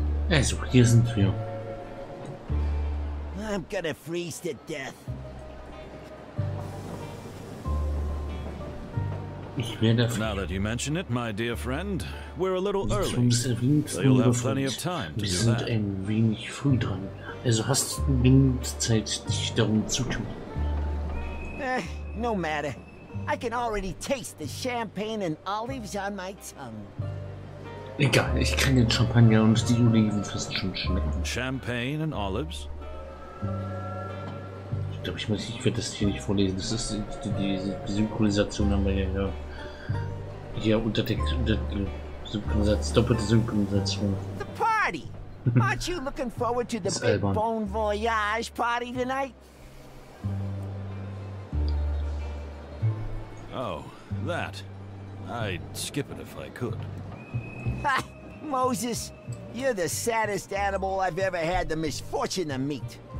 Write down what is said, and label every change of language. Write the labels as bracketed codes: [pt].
[de] Also, hier sind wir. [en] I'm gonna freeze to death. Now that you mention it, my dear friend, we're a little early, so you'll have plenty of time to do that. [de] Ein wenig früh dran. Also hast du genügend Zeit, dich darum zu kümmern. [en] No matter. I can already taste the champagne and olives on my tongue. [de] Egal, ich kann den Champagner und die Oliven fast schon schmecken. [en] Champagne and olives? [de] Ich glaube, ich werde das hier nicht vorlesen. Das ist die Synchronisation, haben wir ja hier doppelte Synchronisation. [en] The party! Aren't you looking forward to the big Bon Voyage party tonight? Oh, that. I'd skip it if I could. Ha! Moses, you're the saddest animal I've ever had the misfortune to meet.